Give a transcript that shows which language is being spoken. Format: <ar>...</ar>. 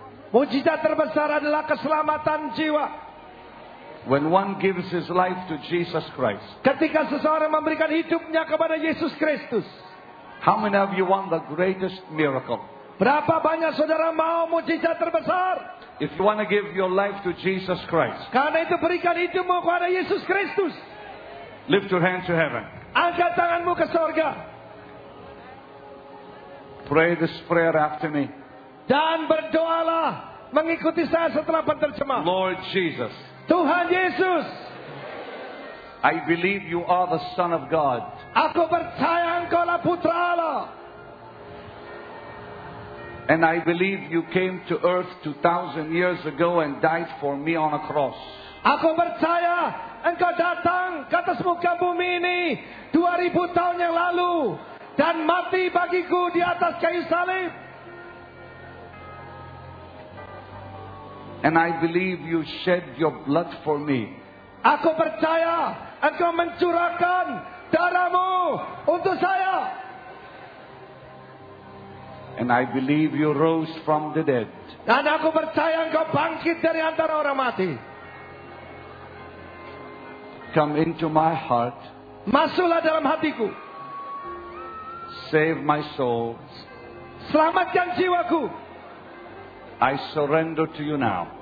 <id>Mujizat terbesar adalah keselamatan jiwa.</id> <en>When one gives his life to Jesus Christ.</en> <id>Ketika seseorang memberikan hidupnya kepada Yesus Kristus.</id> <en>How many of you want the greatest miracle?</en> <id>Berapa banyak saudara mau mujizat terbesar?</id> <en>If you want to give your life to Jesus Christ.</en> <id>Karena itu berikan hidupmu kepada Yesus Kristus.</id> <en>Lift your hand to heaven.</en> <id>Angkat tanganmu ke surga.</id> <en>Pray this prayer after me.</en> <id>Dan berdoalah mengikuti saya setelah penterjemah.</id> <en>Lord Jesus.</en> <id>Tuhan Yesus.</id> <en>I believe you are the Son of God.</en> <id>Aku percaya Engkau lah Putra Allah.</id> <en>And I believe you came to earth 2,000 years ago and died for me on a cross.</en> <id>Aku percaya Engkau datang ke atas muka bumi ini 2,000 tahun yang lalu dan mati bagiku di atas kayu salib.</id> <en>And I believe you shed your blood for me.</en> <id>Aku percaya Engkau mencurahkan darahmu untuk saya.</id> <en>And I believe you rose from the dead.</en> <id>Dan aku percaya Engkau bangkit dari antara orang mati.</id> <en>Come into my heart.</en> <id>Masuklah dalam hatiku.</id> <en>Save my soul.</en> <id>Selamatkan jiwaku.</id> <en>I surrender to you now.</en>